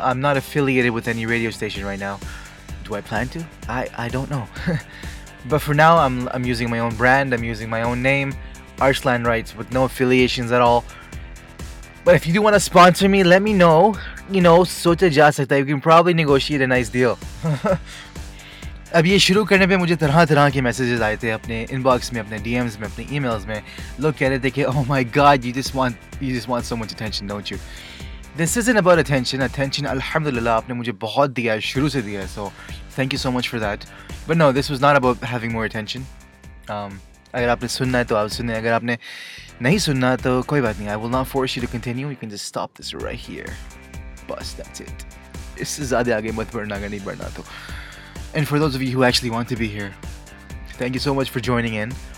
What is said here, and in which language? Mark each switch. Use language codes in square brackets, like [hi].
[en] I'm not affiliated with any radio station right now. Do I plan to? I don't know. But for now, I'm using my own brand. I'm using my own name, ArslanWrites, with no affiliations at all. But if you do want to sponsor me, let me know. You know, [hi] socha ja sakta, [en] you can probably negotiate a nice deal. [hi] अब ये शुरू करने पे मुझे तरह तरह के messages आए थे अपने इनबॉक्स में, अपने DMs में, अपने ईमेल्स में. लोग कह रहे थे कि [en] Oh my God, you just want so much attention, don't you? This isn't about attention [hi] अल्हम्दुलिल्लाह आपने मुझे बहुत दिया है, शुरू से दिया है, [en] So thank you so much for that. But no, this was not about having more attention. [hi] अगर आपने सुनना है तो आप सुने, अगर आपने नहीं सुनना तो कोई बात नहीं. [en] I will not force you to continue, you can just stop this right here. बस that's it. [hi] इससे ज़्यादा आगे मत बढ़ना अगर नहीं बढ़ना तो. [en] And for those of you who actually want to be here, thank you so much for joining in.